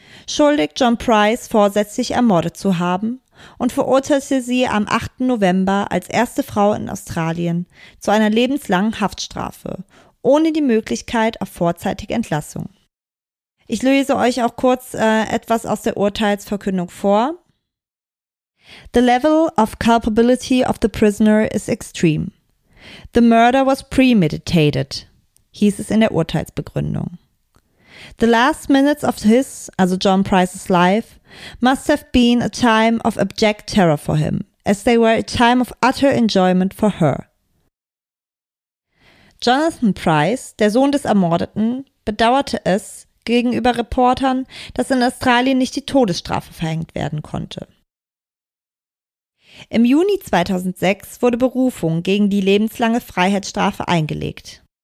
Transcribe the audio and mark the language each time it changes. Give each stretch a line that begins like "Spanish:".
German: Schuldig, John Price vorsätzlich ermordet zu haben, und verurteilte sie am 8. November als erste Frau in Australien zu einer lebenslangen Haftstrafe, ohne die Möglichkeit auf vorzeitige Entlassung. Ich lese euch auch kurz etwas aus der Urteilsverkündung vor.
English: The level of culpability of the prisoner is extreme. The murder was premeditated,
German: hieß es in der Urteilsbegründung.
English: The last minutes of his, also John Price's life, must have been a time of abject terror for him, as they were a time of utter enjoyment for her.
German: Jonathan Price, der Sohn des Ermordeten, bedauerte es gegenüber Reportern, dass in Australien nicht die Todesstrafe verhängt werden konnte. Im Juni 2006 wurde Berufung gegen die lebenslange Freiheitsstrafe eingelegt.